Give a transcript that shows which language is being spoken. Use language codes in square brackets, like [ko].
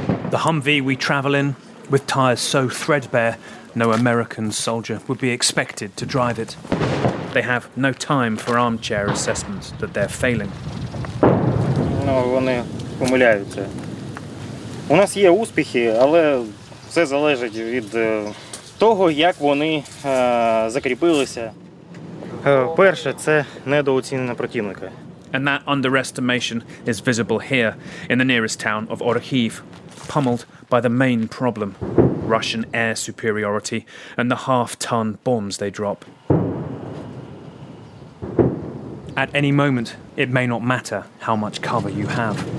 [en] The Humvee we travel in, with tyres so threadbare, no American soldier would be expected to drive it. They have no time for armchair assessments that they're failing. [uk] У нас є успіхи, але все залежить від того, як вони закріпилися. Перше це недооцінення противника. [en] And that underestimation is visible here in the nearest town of Orhiv, pummeled by the main problem, Russian air superiority and the half-ton bombs they drop. At any moment, it may not matter how much cover you have.